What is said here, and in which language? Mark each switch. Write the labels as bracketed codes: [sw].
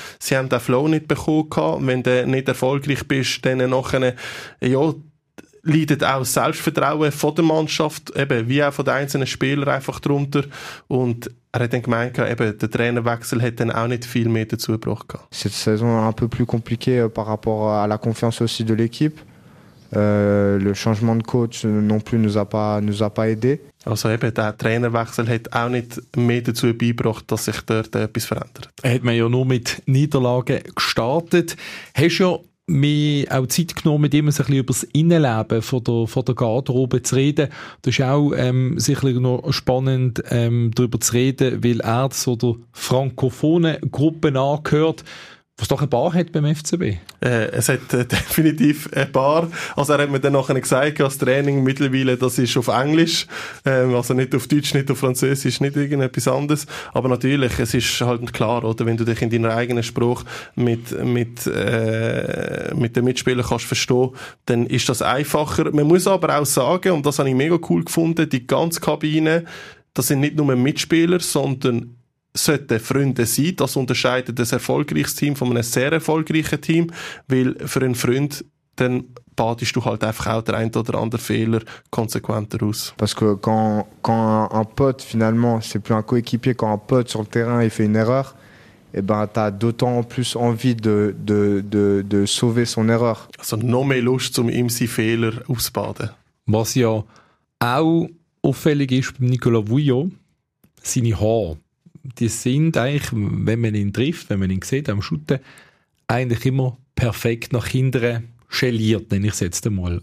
[de] Sie haben den Flow nicht bekommen. Wenn du nicht erfolgreich bist, dann nachher, ja, leidet auch Selbstvertrauen von der Mannschaft, eben, wie auch von den einzelnen Spielern einfach drunter. Und er hat dann gemeint, eben, der Trainerwechsel hätte dann auch nicht viel mehr dazu gebracht. [fr] Cette saison est un peu plus compliquée par rapport à la confiance aussi de l'équipe. Le changement de coach non plus nous a pas aidé. [de] Also eben, der Trainerwechsel hat auch nicht mehr dazu beigebracht, dass sich dort etwas verändert. Hat man ja nur mit Niederlagen gestartet. Hast ja mir auch Zeit genommen, mit ihm ein bisschen über das Innenleben von der Garderobe zu reden. Das ist auch sicherlich noch spannend, darüber zu reden, weil er zu der frankophonen Gruppe angehört, was doch ein paar hat beim FCB. Es hat definitiv ein paar. Also er hat mir dann nachher gesagt, das Training mittlerweile, das ist auf Englisch. Also nicht auf Deutsch, nicht auf Französisch, nicht irgendetwas anderes. Aber natürlich, es ist halt klar, oder, wenn du dich in deiner eigenen Sprache mit den Mitspielern kannst verstehen, dann ist das einfacher. Man muss aber auch sagen, und das habe ich mega cool gefunden, die ganze Kabine, das sind nicht nur Mitspieler, sondern sollten Freunde sein. Das unterscheidet ein erfolgreiches Team von einem sehr erfolgreichen Team, weil für einen Freund dann badest du halt einfach auch der ein oder andere Fehler konsequenter aus. [fr] Parce que quand un pote finalement, c'est plus un coéquipier, quand un pote sur le terrain il fait une erreur, eh ben t'as d'autant plus envie de sauver son erreur. [de] Also noch mehr Lust, um ihm seinen Fehler auszubaden. Was ja auch auffällig ist bei Nicola Vujo, seine Haare, die sind eigentlich, wenn man ihn trifft, wenn man ihn sieht am Schutten, eigentlich immer perfekt nach hinten schelliert, nenne ich es jetzt einmal.